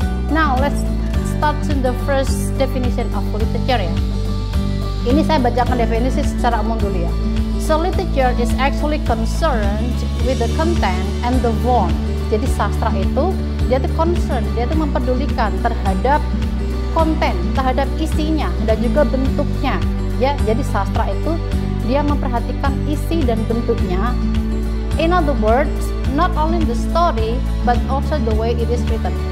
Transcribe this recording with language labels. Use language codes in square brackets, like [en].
[en] Now, let's start to the first definition of literature ya. [id] Ini saya bacakan definisi secara umum dulu ya. [en] So, literature is actually concerned with the content and the form. [id] Jadi, sastra itu, dia itu concerned, dia itu memperdulikan terhadap konten, terhadap isinya, dan juga bentuknya. Ya, jadi, sastra itu, dia memperhatikan isi dan bentuknya. [en] In other words, not only the story, but also the way it is written.